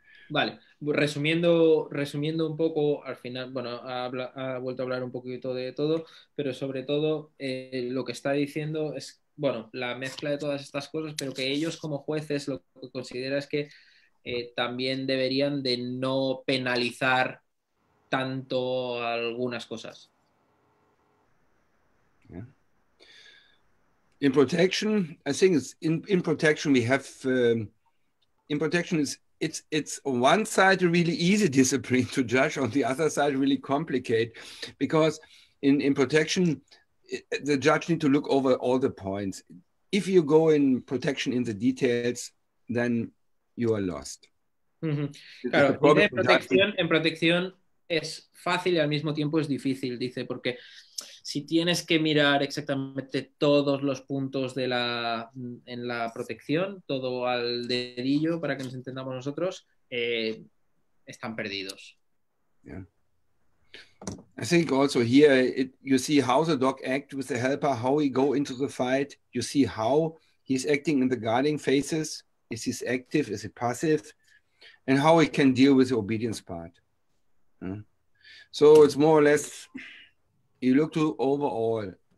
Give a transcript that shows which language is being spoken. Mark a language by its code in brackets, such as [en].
[es] Vale, resumiendo un poco, al final, bueno, ha vuelto a hablar un poquito de todo, pero sobre todo lo que está diciendo es, bueno, la mezcla de todas estas cosas, pero que ellos como jueces lo que consideran es que también deberían de no penalizar tanto algunas cosas. [en] In protection, I think it's in protection we have in protection it's on one side a really easy discipline to judge, on the other side really complicated, because in protection the judge need to look over all the points. If you go in protection in the details, then you are lost. Mm-hmm. [es] Claro, en protección es fácil y al mismo tiempo es difícil, dice, porque si tienes que mirar exactamente todos los puntos de la en la protección, todo al dedillo, para que nos entendamos nosotros, están perdidos. [en] Yeah. I think also here, you see how the dog acts with the helper, how he go into the fight. You see how he's acting in the guarding phases. Is he active? Is he passive? And how he can deal with the obedience part. So it's more or less, you look to overall.